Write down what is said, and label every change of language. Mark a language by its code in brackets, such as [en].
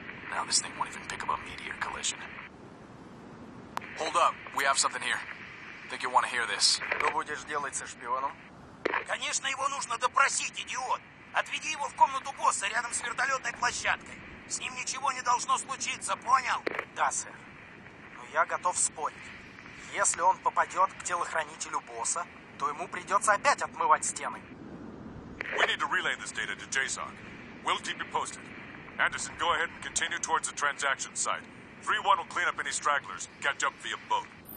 [en] Now this thing won't even pick up a meteor collision. Hold up. We have something here. Think you'll want to hear this. [ru] Ты будешь делать со шпионом? Конечно, его нужно допросить, идиот. Отведи его в комнату босса рядом с вертолетной площадкой. С ним ничего не должно случиться, понял? Да, сэр. Но я готов спорить. Если он попадет к телохранителю босса, то ему придется опять отмывать стены. [en] We need to relay this data to JSOC. We'll keep you posted. Anderson, go ahead and continue towards the transaction site. 3-1 will clean up any stragglers. Catch up via boat.